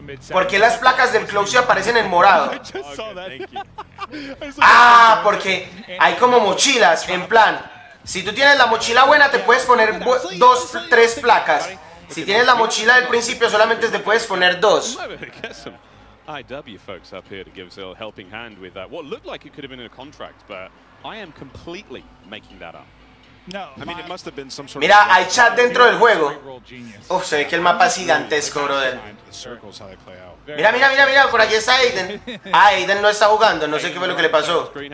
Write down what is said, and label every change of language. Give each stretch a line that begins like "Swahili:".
Spanish: ¿Por qué las placas del Closio aparecen en morado? Ah, porque hay como mochilas, en plan, si tú tienes la mochila buena, te puedes poner tres placas. Si tienes la mochila del principio, solamente te puedes poner dos.
English: IW folks up here to give us a little helping hand with that. What looked like it could have been in a contract, but I am completely making that up. No, I mean, it must have been some sort
Spanish: mira, hay chat dentro del juego. Uf, se ve que el mapa es gigantesco, brother. Mira, por aquí está Aiden. Ah, Aiden no está jugando, no sé qué fue lo que le pasó.